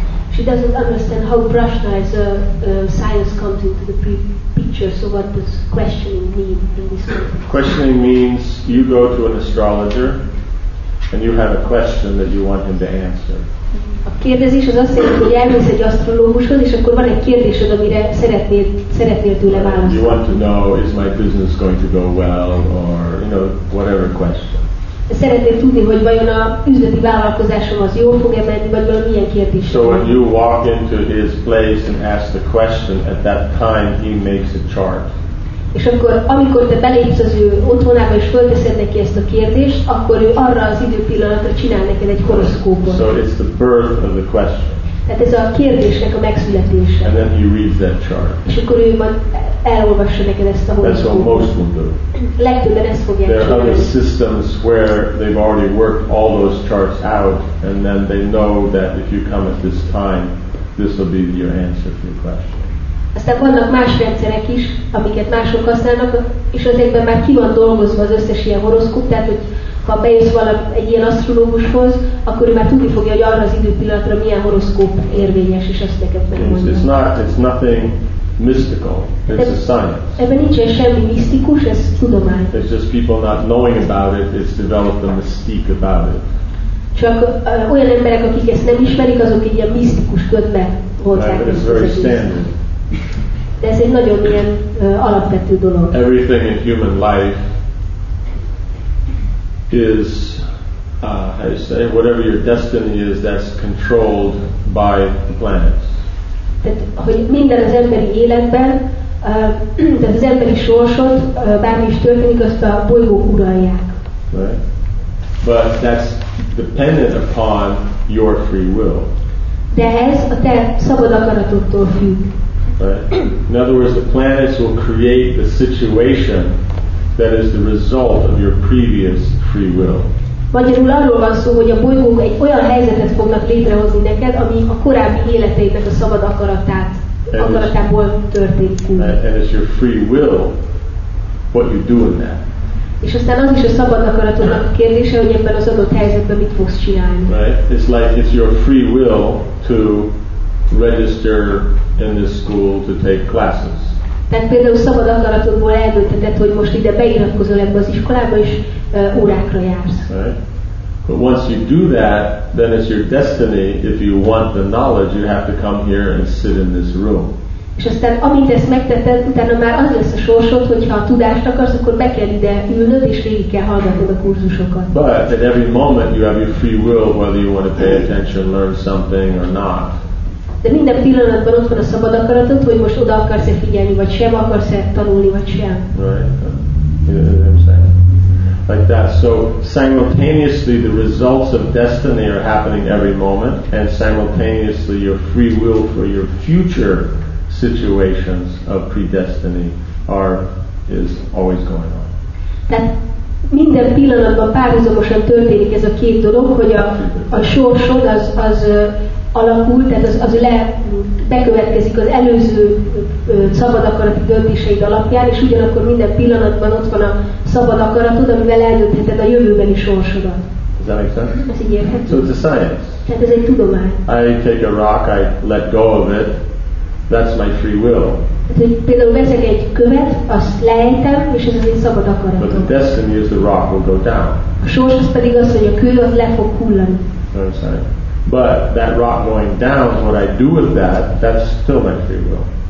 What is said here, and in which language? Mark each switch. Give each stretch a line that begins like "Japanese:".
English: She doesn't understand how Prashna as a science comes into the picture, so what does questioning mean in this context? Questioning means you go to an astrologer and you have a question that you want him to answer.
Hungarian: A kérdezés az azt jelenti, hogy elmész egy asztrológushoz, és akkor van egy kérdésed, amire szeretnél tőle választani.
English: You want to know, is my business going to go well, or, you know, whatever question.
Hungarian: Szeretnél tudni, hogy vajon a üzleti vállalkozásom az jól fog-e menni, vagy valami ilyen kérdés.
English: So when you walk into his place and ask the question, at that time he makes a chart.
Hungarian: És akkor, amikor te belépsz az ő otthonába és fölteszed neki ezt a kérdést, akkor ő arra az időpillanatra csinál neked egy horoszkópot.
English: So it's the birth of the question.
Hungarian: Tehát ez a kérdésnek a megszületése.
English: And then he reads that chart.
Hungarian: És akkor ő majd elolvassa neked ezt a horoszkópot.
English: That's what most will do.
Hungarian: Legtöbben ezt fogják csinálni.
English: There are other systems where they've already worked all those charts out, and then they know that if you come at this time, this will be your answer to your question.
Hungarian: Aztán vannak más rendszerek is, amiket mások használnak, és ezekben már ki van dolgozva az összes ilyen horoszkóp, tehát hogy ha bejössz valami egy ilyen asztrológushoz, akkor ő már tudni fogja, hogy arra az időpillanatra milyen horoszkóp érvényes, és azt neked megmondja. Ebben nincsen semmi misztikus, ez tudomány.
English: It's just people not knowing about it, it's developed a mystique about it.
Hungarian: Csak olyan emberek, akik ezt nem ismerik, azok egy ilyen misztikus ködbe hozzák.
English: It's very standard.
Hungarian: De ez egy nagyon ilyen alapvető dolog.
English: Everything in human life is, how you say, whatever your destiny is, that's controlled by the planets.
Hungarian: Tehát, hogy minden az emberi életben, tehát az emberi sorsot, bármi is történik, azt a bolygók uralják.
English: Right. But that's dependent upon your free will.
Hungarian: De ez a te szabad akaratodtól függ.
English: Right. In other words, the planets will create the situation that is the result of your previous free will.
Hungarian: Magyarul arról van szó, hogy a bolygók egy olyan helyzetet fognak létrehozni neked, ami a korábbi életeidnek a szabad akaratából történt.
English: And it's your free will what you do in that.
Hungarian: És aztán az is a szabad akaratodnak a kérdése, hogy ebben az adott helyzetben mit fogsz csinálni.
English: Right. It's like it's your free will to register in this school to take classes.
Hungarian: Tehát például szabad akaratodból eldöntheted, hogy most ide beiratkozol ebbe az iskolába és órákra jársz.
English: But once you do that, then it's your destiny. If you want the knowledge, you have to come here and sit in this room.
Hungarian: És aztán amint ezt megtetted, utána már az lesz a sorsod, hogyha a tudást akarsz, akkor be kell ide ülnöd és végig kell hallgatnod a kurzusokat.
English: But at every moment you have your free will whether you want to pay attention, learn something or not.
Hungarian: De minden pillanatban ott van a szabad akaratod, hogy most oda akarsz-e figyelni, vagy sem, akarsz-e tanulni, vagy sem.
English: Right. Like that. So simultaneously the results of destiny are happening every moment, and simultaneously your free will for your future situations of predestiny is always going on.
Hungarian: Tehát minden pillanatban párhuzamosan történik ez a két dolog, hogy a sorsod az alakul, tehát bekövetkezik az előző szabad akarati döntéseid alapján, és ugyanakkor minden pillanatban ott van a szabad akaratod, amivel eldöntheted a jövőbeni sorsodat.
English: Does that make sense?
Hungarian: Ez így érthető.
English: So it's a science.
Hungarian: Tehát ez egy tudomány.
English: I take a rock, I let go of it, that's my free will.
Hungarian: Tehát például veszek egy követ, azt leejtem, és ez az én szabad akaratom.
English: But the destiny is the rock will go down.
Hungarian: A sors az pedig az, hogy a kő az le fog hullani.
English: But that rock going down, what I do with that, that's still my free will.